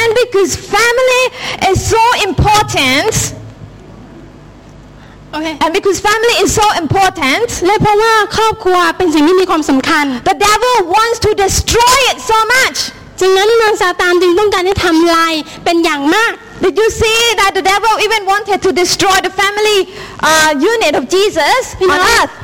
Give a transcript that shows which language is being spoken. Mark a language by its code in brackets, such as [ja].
[en] Because family is so important. Okay. And because family is so important, [th] เพราะว่าครอบครัวเป็นสิ่งที่มีความสำคัญ [en] The devil wants to destroy it so much. [th] ดังนั้นมารซาตานจึงต้องการให้ทำลายเป็นอย่างมาก [en] Did you see that the devil even wanted to destroy the family unit of Jesus on earth?